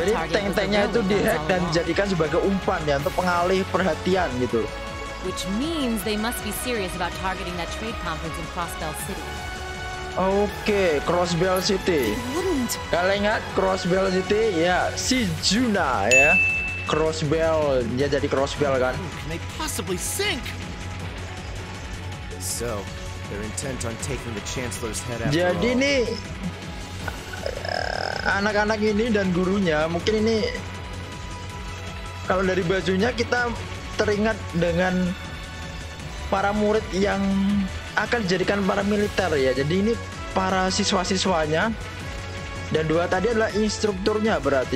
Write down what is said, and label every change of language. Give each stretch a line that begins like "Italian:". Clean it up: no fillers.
Indonesian: Jadi tank-tanknya itu dihack dan dijadikan sebagai umpan ya, untuk pengalih perhatian gitu.
English: Which means they must be serious about targeting that trade conference in Crossbell City. Okay,
Indonesian: Crossbell City. Kalian ingat Crossbell City? Ya, si Juna ya. Crossbell, dia jadi Crossbell kan?
English: Can they possibly sink? So, they're intent on taking the Chancellor's head after.
Indonesian: Jadi
English: all.
Indonesian: Nih, anak-anak ini dan gurunya, mungkin ini kalau dari bajunya kita teringat dengan para murid yang akan dijadikan para militer ya. Jadi ini para siswa-siswanya, dan dua tadi adalah instrukturnya berarti.